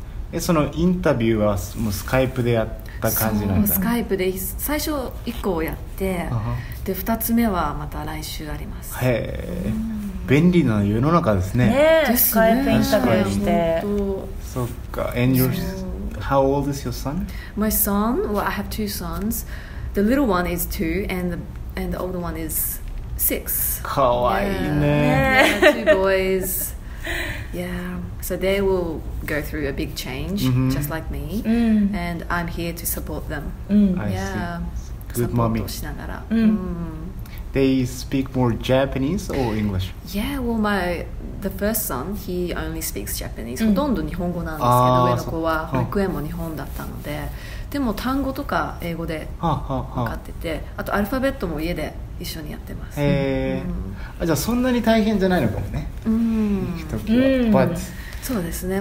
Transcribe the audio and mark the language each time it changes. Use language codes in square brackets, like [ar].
[ja] え、そのインタビューはもうスカイプでやった感じなんだ。そう、スカイプで最初1個やって、で2つ目はまた来週あります。へえ、便利な世の中ですね。ね、スカイプインタビューして。 [en] そっか。And your, how old is your son? My son, well, I have two sons. The little one is two, and the and the older one is 6. [ja] Kawaii ne. [en] Yeah. Yeah, two boys. Yeah, so they will go through a big change, mm-hmm. just like me, mm. and I'm here to support them. Mm. I yeah. see. Good mommy. Mm. They speak more Japanese or English? Yeah, well, the first son, he only speaks Japanese. [ja] Mm. ほとんど日本語なんですけど、上の子は保育園も日本だったので、でも単語とか英語で分かってて、あとアルファベットも家で一緒にやってます。あ、じゃあそんなに大変じゃないのかもね。うん。行く時は、but そうですね。